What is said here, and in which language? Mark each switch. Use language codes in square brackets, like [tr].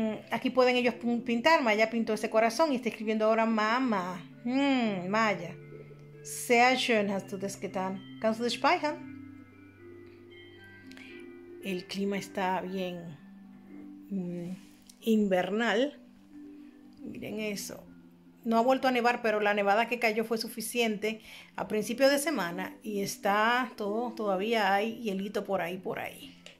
[es] Aquí pueden ellos pintar. Maya pintó ese corazón y está escribiendo ahora mamá. Maya. [de] Sehr schön hast du das getan. Kannst du dich speichern? [es] El clima está bien invernal. Miren eso. No ha vuelto a nevar, pero la nevada que cayó fue suficiente a principio de semana y está todo, todavía hay hielito por ahí, por ahí.